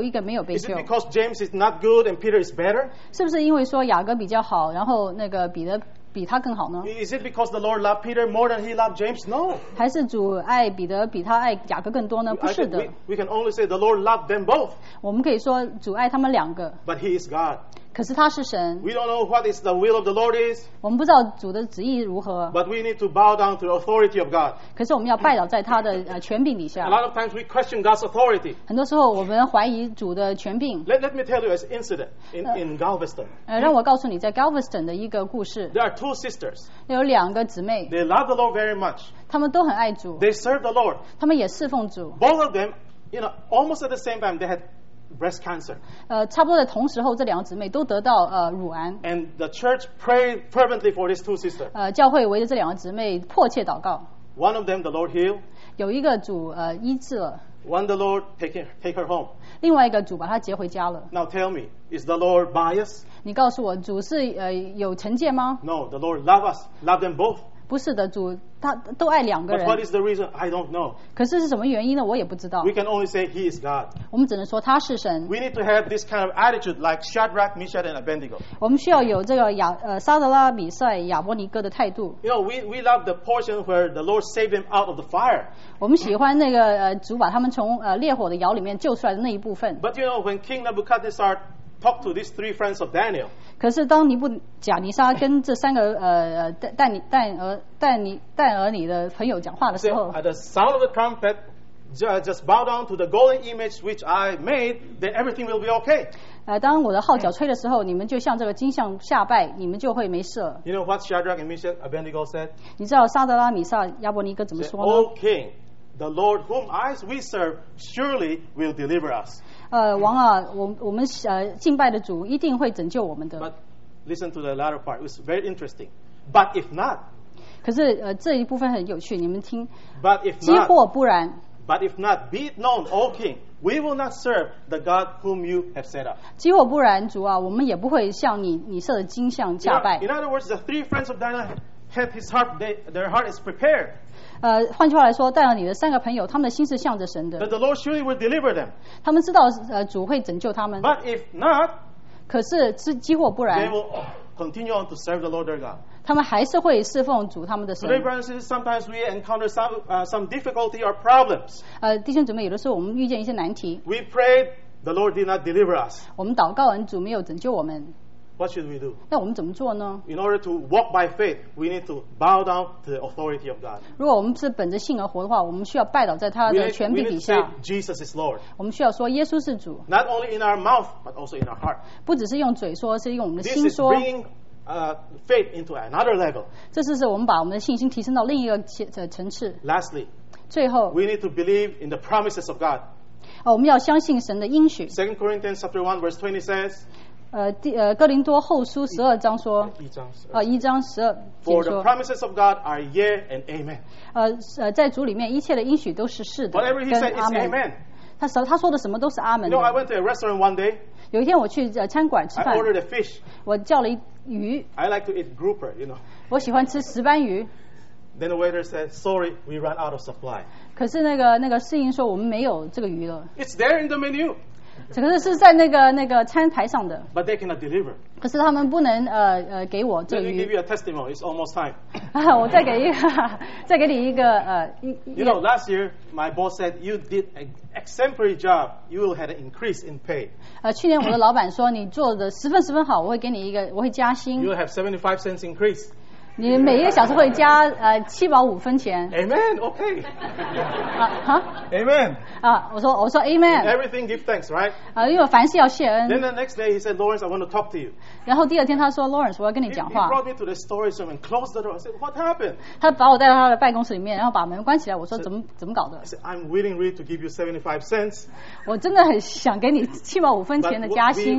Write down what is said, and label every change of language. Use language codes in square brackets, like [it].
[en] is it because James is not good and Peter is better? [zh] 是不是因为说雅各比较好, 然后那个彼得, [en] is it because the Lord loved Peter more than he loved James? No. [zh] 还是主爱彼得比他爱雅各更多呢?不是的。 [en] We can only say the Lord loved them both. [zh] 我们可以说主爱他们两个。 [en] But he is God. [zh] 可是他是神。 [en] We don't know what is the will of the Lord is. [zh] 我们不知道主的旨意如何。 [en] But we need to bow down to the authority of God. [zh] 可是我们要拜倒在他的, 权柄底下。 [en] A lot of times we question God's authority. [zh] 很多时候我们怀疑主的权柄。 [en] Let me tell you an incident in Galveston. [zh] 让我告诉你在Galveston的一个故事。 [en] There are two sisters. [zh] 有两个姊妹, [en] they love the Lord very much. [zh] 他们都很爱主, [en] they serve the Lord. [zh] 他们也侍奉主, [en] both of them, you know, almost at the same time, they had breast cancer. [zh] 差不多的同时候, 这两个姊妹都得到, 乳癌, [en] and the church prayed fervently for these two sisters. [zh] 教会围着这两个姊妹迫切祷告, [en] one of them the Lord healed. [zh] 有一个主, 医治了, [en] one the Lord take her home. [zh] 另外一个主把她接回家了。 [en] Now tell me, is the Lord biased? [zh] 你告诉我, 主是, 有成见吗? [en] No, the Lord love us, love them both. [zh] 不是的, 主, 他都爱两个人。 [en] But what is the reason? I don't know. [zh] 可是是什么原因呢?我也不知道。 [en] We can only say he is God. [zh] 我们只能说他是神。 [en] We need to have this kind of attitude like Shadrach, Meshach and Abednego. [zh] 我们需要有这个, 撒德拉比赛, 亚伯尼哥的态度。 [en] You know, we love the portion where the Lord saved him out of the fire. [zh] 我们喜欢那个, 主把他们从, 烈火的窑里面救出来的那一部分。 [en] But you know, when King Nebuchadnezzar talk to these three friends of Daniel. [zh] 可是当尼布甲尼撒跟这三个, 但尼的朋友讲话的时候, [en] at the sound of the trumpet, just bow down to the golden image which I made, then everything will be okay. [zh] 当我的号角吹的时候, 你们就向这个金像下拜, 你们就会没事了。 [en] You know what Shadrach and Meshach Abednego said? [zh] 你知道撒德拉米撒亚伯尼哥怎么说呢? [en] O king, the Lord whom eyes we serve surely will deliver us. [zh] 王啊, 我们, 敬拜的主, [en] but listen to the latter part. It was very interesting. But if not, [zh] 可是, 这一部分很有趣, 你们听, [en] but if not, [zh] 几乎不然, [en] but if not, be it known, O king, we will not serve the God whom you have set up. [zh] 几乎不然, 主啊, 我们也不会向你, 你设的金像下拜。 [en] In other words, the three friends of Dinah had his heart, their heart is prepared. [zh] 换句话来说, 带了你的三个朋友, 他们的心是向着神的, [en] but the Lord surely will deliver them. [zh] 他们知道, 主会拯救他们, [en] but if not, [zh] 可是几乎不然, [en] they will continue on to serve the Lord their God. [zh] 他们还是会侍奉主他们的神。 [en] Today, brothers and sisters, sometimes we encounter some difficulty or problems. [zh] 弟兄姊妹, 有的时候我们遇见一些难题, [en] we prayed the Lord did not deliver us. [zh] 我们祷告完, 主没有拯救我们。 [en] What should we do? [zh] 那我们怎么做呢? [en] In order to walk by faith, we need to bow down to the authority of God. [zh] 如果我们是本着信而活的话, 我们需要拜倒在他的权柄底下。 [en] We need to say Jesus is Lord. [zh] 我们需要说耶稣是主。 [en] Not only in our mouth, but also in our heart. [zh] 不只是用嘴说, 是用我们的心说。 [en] This is bringing faith into another level. [zh] 这是我们把我们的信心提升到另一个层次。 [en] Lastly, [zh] 最后, [en] we need to believe in the promises of God. [zh] 我们要相信神的应许。 [en] 2 Corinthians chapter 1 verse 20 says, [zh] 哥林多后书12章说, 一章十二, [en] for the promises of God are yea and amen. [zh] 在主里面一切的应许都是是的, [en] whatever he said is amen. [zh] 他说的什么都是阿们。 [en] You know, I went to a restaurant one day. [zh] 有一天我去, 餐馆吃饭, [en] I ordered a fish. [zh] 我叫了鱼, [en] I like to eat grouper, you know. [zh] 我喜欢吃石斑鱼。 [en] Then the waiter said, sorry, we ran out of supply. [zh] 可是那个, 那个侍应说, 我们没有这个鱼了。 [en] It's there in the menu. [zh] 这个是在那个餐台上的, [en] but they cannot deliver. [zh] 可是他们不能, 给我这个鱼。 [en] Let me give you a testimony. It's almost time. [zh] 我再给一个, 再给你一个, [en] you know, last year, my boss said, you did an exemplary job. You will have an increase in pay. [zh] 去年我的老板说, 你做得十分十分好, 我会给你一个, 我会加薪。 [en] You will have 75 cents increase. [zh] 你每一个小时会加, 7毛5分钱。 [en] Amen, okay. Amen. [zh] 我说 Amen. [en] Everything give thanks, right? [zh] 因为凡事要谢恩。 [en] Then the next day he said, Lawrence, I want to talk to you. [zh] 然后第二天他说, Lawrence, 我要跟你讲话。 [en] He brought me to the storage room and closed the door. I said, what happened? [zh] 他把我带到他的办公室里面, 然后把门关起来, 我说怎么搞的? [en] I said, I'm willing really to give you 75 cents. [zh] 我真的很想给你7毛5分钱的加薪。